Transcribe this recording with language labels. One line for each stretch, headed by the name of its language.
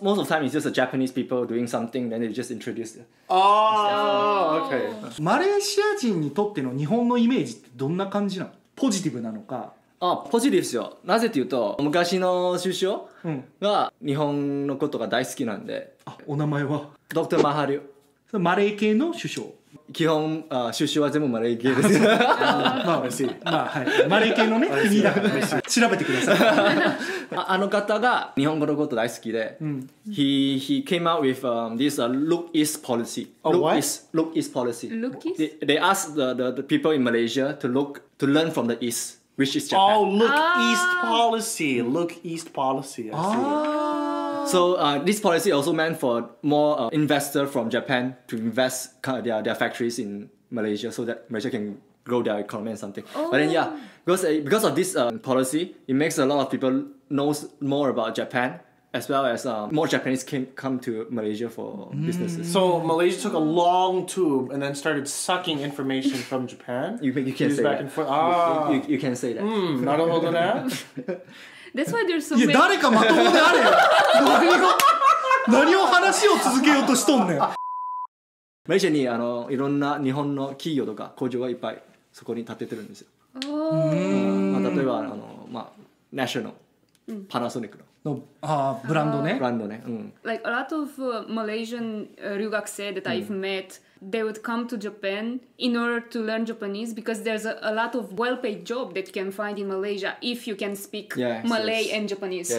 English: Most of the time it's just a Japanese people doing something, then they just introduce it. Okay.
Japanese: マレーシア人にとっての日本のイメージってどんな感じなの？ポジティブなのか？あ、ポジティブですよ。なぜというと、昔の首相が日本のことが大好きなんで。あ、お名前は？ドクターマハリュ。マレー系の首相。基本あ出身は全部マレー系です。まあ嬉しい。まあはい。マレー系のね国だから調べてください。あの方が日本語のこと大好きで、うん、
English: he came out with this look east policy. A look what? Look east policy. Look east. They asked the people in Malaysia to learn from the east, which is Japan. Oh, look east policy. Look east policy. I see. So this policy also meant for more investors from Japan to invest their factories in Malaysia so that Malaysia can grow their economy and something. Oh. But then yeah, because of this policy, it makes a lot of people know more about Japan as well as more Japanese come to Malaysia for businesses. So Malaysia took a long tube and then started sucking information from Japan? You can say back that. And forth. Ah. You can say that.
Japanese: なるほどね。
English: That's why there's so
Japanese: many... いや、誰かまともであれよ。何を話を続けようとしとんねん。マレーシアにいろんな日本の企業とか工場がいっぱいそこに建ててるんですよ。例えばナショナル、パナソニックの。ブランドね。ブランドね。
English: Like a lot of Malaysian 留学生 that I've met, they would come to Japan in order to learn Japanese because there's a lot of well-paid job that you can find in Malaysia if you can speak Malay and Japanese.